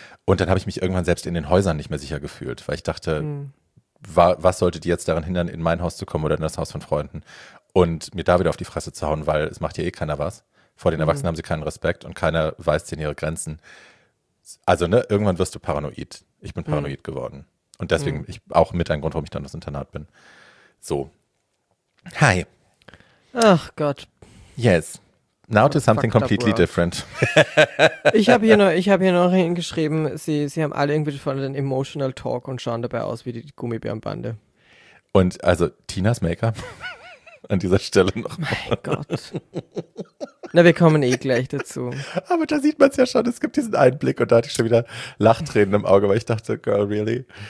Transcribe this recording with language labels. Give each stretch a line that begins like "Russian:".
German: Und dann habe ich mich irgendwann selbst in den Häusern nicht mehr sicher gefühlt, weil ich dachte, was sollte die jetzt daran hindern, in mein Haus zu kommen oder in das Haus von Freunden und mir da wieder auf die Fresse zu hauen, weil es macht ja eh keiner was. Vor den Erwachsenen haben sie keinen Respekt und keiner weist denen ihre Grenzen. Also ne, irgendwann wirst du paranoid. Ich bin paranoid geworden. Und deswegen ich auch mit ein Grund, warum ich dann aufs Internat bin.
English: So. Hi.
German: Ach Gott.
English: Yes. Now to something completely different.
German: Ich habe hier noch hingeschrieben, sie haben alle irgendwie von den Emotional Talk und schauen dabei aus wie die Gummibärenbande. Und also Tinas Make-up. An dieser Stelle noch. Mein Gott. Na, wir kommen eh gleich dazu. Aber da sieht man es ja schon, es gibt diesen Einblick und da hatte ich schon wieder Lachtränen im Auge, weil ich dachte,
English: girl, really?